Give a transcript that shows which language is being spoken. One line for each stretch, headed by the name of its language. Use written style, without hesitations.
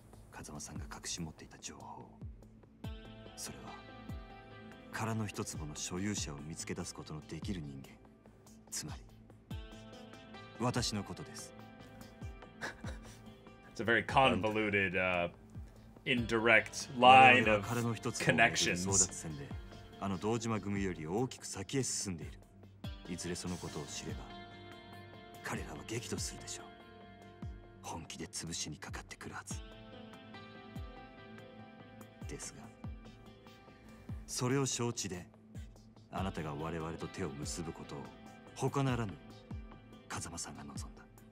Japanese: 風間さんが隠し持っていた情報、それは空の一壺の所有者を見つけ出すことのできる人間、つまり私のことです。
English: It's a very convoluted indirect line of connections.
Japanese: 争奪戦で、あの堂島組より大きく先へ進んでいる。いずれそのことを知れば彼らは激怒するでしょう。本気で潰しにかかってくるはず。ですが、それを承知であなたが我々と手を結ぶことを他ならぬ風間さんが望んだ。